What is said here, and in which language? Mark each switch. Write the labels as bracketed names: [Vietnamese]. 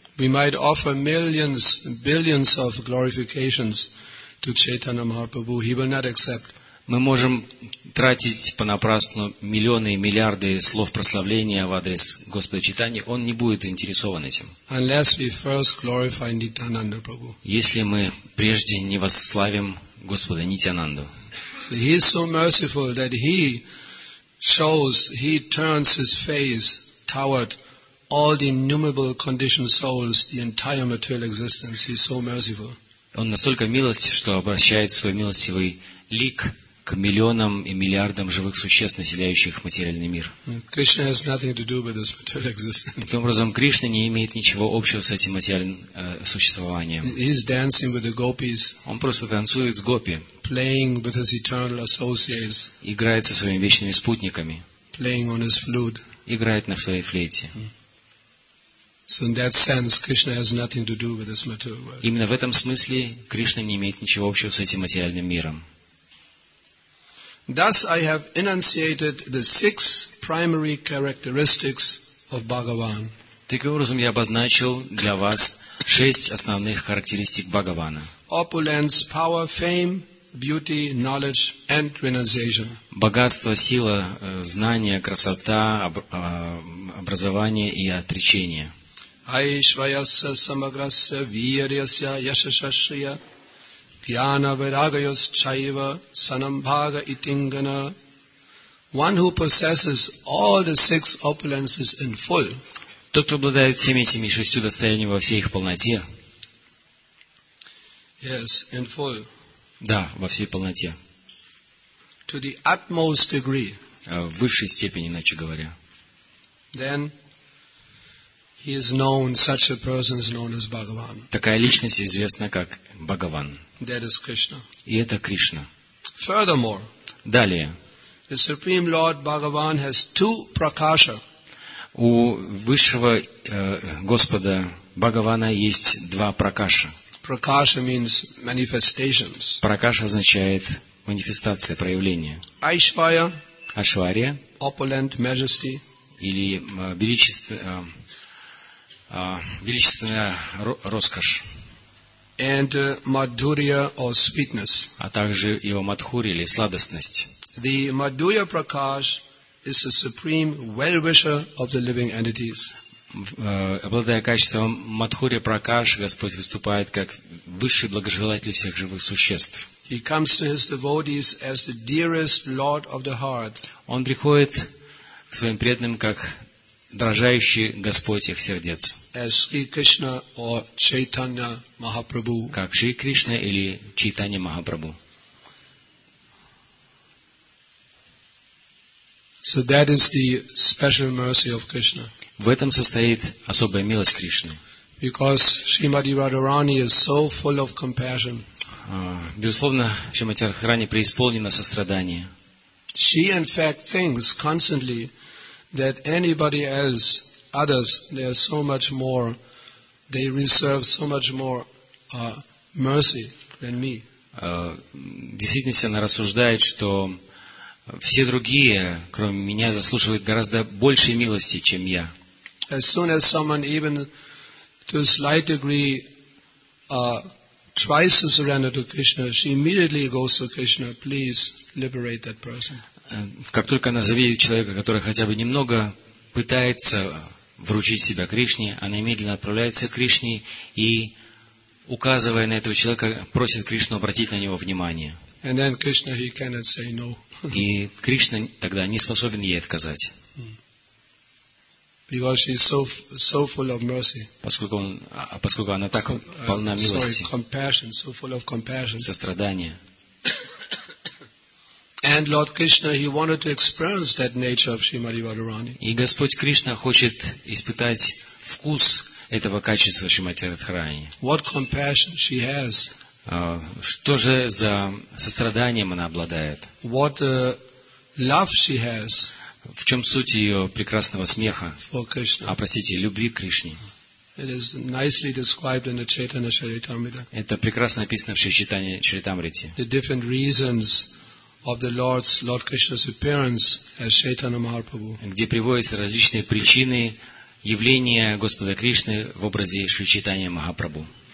[English] We might offer millions, billions of glorifications to Чайтанья Махапрабху. He will not accept. [Russian] Мы можем тратить понапрасну миллионы и миллиарды слов прославления в адрес Господа Чайтаньи, он не будет интересован этим. [English] Unless we first glorify Nityananda Prabhu. [Russian] Если мы прежде не восславим Господа Нитянанду. [English] So he is so merciful that he shows, he turns his face toward all the innumerable conditioned souls, the entire material existence. He is so merciful. [Russian] Он настолько милостив, что обращает свой милостивый лик к миллионам и миллиардам живых существ, населяющих материальный мир. [English] Krishna has nothing to do with this material existence. [Russian] Таким образом, Кришна не имеет ничего общего с этим материальным существованием. [English] He's dancing with the gopis. [Russian] Он просто танцует с гопи. [English] Playing with his eternal associates. [Russian] Играет со своими вечными спутниками. [English] Playing on his flute. [Russian] Играет на своей флейте. [English] So in that sense, Krishna has nothing to do with this material world. [Russian] Именно в этом смысле Кришна не имеет ничего общего с этим материальным миром. [English] Thus, I have enunciated the six primary characteristics of Bhagavan. [Russian] Таким образом, я обозначил для вас шесть основных характеристик Бхагавана. [English] Opulence, power, fame, beauty, knowledge, and renunciation. [Russian] Богатство, сила, знание, красота, образование и отречение. [Sanskrit] Айшвайасса самаграсса вирьяся яшашашрия гьяна вирагайос чайва санамбхага итингана. [English] One who possesses all the six opulences in full. [Russian] Тот, кто обладает всеми этими шестью достояниями во всей их полноте. [English] Yes, in full. [Russian] Да, во всей полноте. [English] To the utmost degree. [Russian] В высшей степени, иначе говоря. [English] Then he is known, such a person is known as Bhagavan. [Russian] Такая личность известна как Бхагаван. [English] That is Krishna. [Russian] И это Кришна. [English] Furthermore. [Russian] Далее. [English] The Supreme Lord Bhagavan has two prakasha. [Russian] У высшего Господа Бхагавана есть два пракаша. [English] Prakasha means manifestations. [Russian] Пракаша означает манифестация, проявление. [Sanskrit] Айшвария. Ашвария. [English] Opulent majesty. [Russian] Или величественная роскошь. [English] And madhurya or sweetness. [Russian] А также его мадхурья или сладостность. [English] The madhurya prakash is the supreme well-wisher of the living entities. [Russian] Обладая качеством мадхурья пракаш, Господь выступает как высший благожелатель всех живых существ. [English] He comes to his devotees as the dearest lord of the heart. [Russian] Он приходит к своим преданным как дрожащий Господь их сердец. [English] As Sri Krishna or Chaitanya Mahaprabhu. [Russian] Как Шри Кришна или Чайтанья Махапрабху. [English] So that is the special mercy of Krishna. [Russian] В этом состоит особая милость Кришны. [English] Because Srimati Radharani is so full of compassion. [Russian] Безусловно, Шримати Радхарани преисполнена сострадания. [English] She in fact thinks constantly that anybody else, others, they are so much more, they reserve so much more mercy than me. [Russian] В действительности она рассуждает, что все другие, кроме меня, заслуживают гораздо большей милости, чем я. [English] As soon as someone even to a slight degree tries to surrender to Krishna, she immediately goes to Krishna, please liberate that person. [Russian] Как только она завидит человека, который хотя бы немного пытается вручить себя Кришне, она немедленно отправляется к Кришне и, указывая на этого человека, просит Кришну обратить на него внимание. [English] And then Krishna, he cannot say no. [Russian] И Кришна тогда не способен ей отказать. [English] Because she is so full of mercy. [Russian] Поскольку она так полна милости. [English] Compassion, so full of compassion. [Russian] Сострадания. [English] And Lord Krishna, he wanted to experience that nature of Srimati Radharani. [Russian] И Господь Кришна хочет испытать вкус этого качества Шримати Радхарани. [English] What compassion she has. [Russian] Что же за состраданием она обладает? [English] What love she has. [Russian] В чем суть ее прекрасного смеха? А простите, любви к Кришне. [English] It is nicely described in the Chaitanya Charitamrita. [Russian] Это прекрасно описано в Чайтанья Чаритамрите. [English] The different reasons of the Lord Krishna's appearance as Chaitanya Mahaprabhu. [Russian] Где приводятся различные причины явления Господа Кришны в образе Шри Чайтанья Махапрабху.